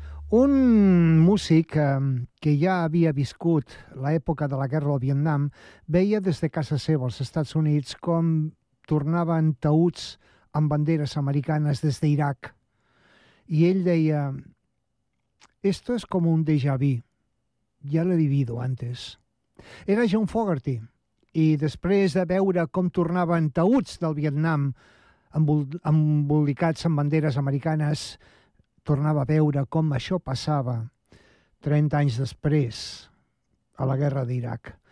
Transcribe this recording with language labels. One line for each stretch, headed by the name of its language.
Catalan: Un músic que ja havia viscut l'època de la guerra del Vietnam veia des de casa seva als Estats Units com tornaven taüts amb banderes americanes des d'Iraq. I ell deia,
Spanish: esto es como un déjà vu, ya lo he vivido antes.
Catalan: Era John Fogerty, i després de veure com tornaven taüts del Vietnam embolicats amb banderes americanes, tornava a veure com això passava 30 anys després a la guerra d'Iraq.